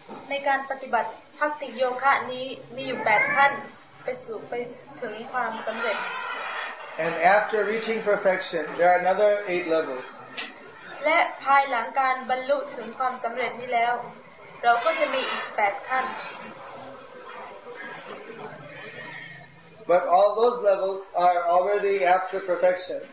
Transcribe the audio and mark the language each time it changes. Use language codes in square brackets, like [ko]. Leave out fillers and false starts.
[th] ในการปฏิบัติบัคติโยคะนี้มีอยู่8ขั้นไปถึงความสำเร็จ [en] And after reaching perfection, there are another 8 levels. [th] และภายหลังการบรรลุถึงความสำเร็จนี้แล้วเราก็จะมีอีก8ขั้น [en] But all those levels are already after perfection.